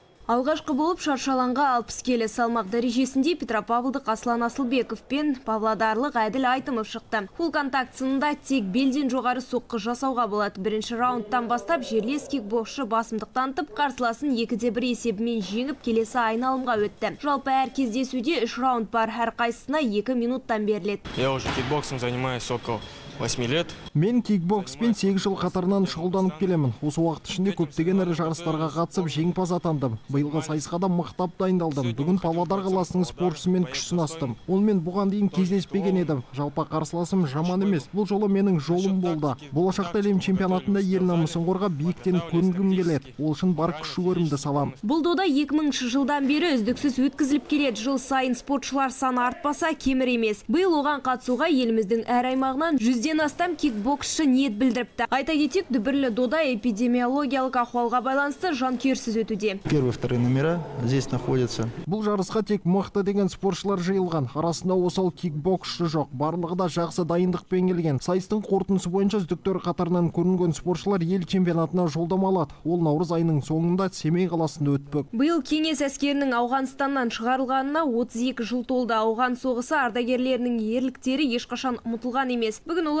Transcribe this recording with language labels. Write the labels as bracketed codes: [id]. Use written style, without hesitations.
[kk] Алғашқы болып шаршаланға 60 келі салмақ дәрежесінде петропавлдық Аслан Асылбеков пен павлодарлық Әділ Айтымов шықты. Фул контакт сынында тек белден жоғары соққы жасауға болады. Бірінші раундтан бастап жерлес кикбоксшы басымдық танытып, қарсыласын 2-1 есебімен жеңіп келесі айналымға өтті. Жалпы әр кездесуде 3 раунд бар, әр қайсысына 2 минуттан беріледі. [ru] Я уже кикбоксом занимаюсь около 8 лет. [kk] Мен кикбокспен 8 жыл қатарынан шұғылданып келемін. Осы уақыт ішінде көптеген ірі жарыстарға қатысып, жеңімпаз атандым. Биылғы сайысқа да мықтап дайындалдым. Бүгін Павлодар қаласының спортшысымен күш сынастым. Онымен бұған дейін кездеспеген едім. Жалпы қарсыласым жаман емес. Бұл жолы менің жолым болды. Болашақта әлем чемпионатында ел намысын қорғап, биіктен көрінгім келеді. Ол үшін бар күш-жігерімді саламын. Бұл дода 2000 жылдан бері үздіксіз өткізіліп келеді. Жыл сайын спортшылар саны артпаса кемір емес. Биыл оған қатысуға еліміздің әр аймағынан 100-ден астам кикбоксшы ниет білдіріпті. Айта кетейік, дүбірлі дода эпидемиологиялық ахуалға байланысты жанкүйерсіз өтуде. [ru] Вторые номера здесь находятся. [kk] Бұл жарысқа тек мықты деген спортшылар жиылған. Арасында осал кикбоксшы жоқ. Барлығы да жақсы дайындықпен келген. Сайыстың қорытынсы бойынша үздіктер қатарынан көрінген спортшылар ел чемпионатына жолдама алады. Ол наурыз айының соңында Семей қаласында өтпек. Биыл кеңес әскерінің Ауғанстаннан шығарылғанына 32 жыл толды. Ауған соғысы ардагерлерінің ерліктері ешқашан ұмытылған емес. Бүгін олар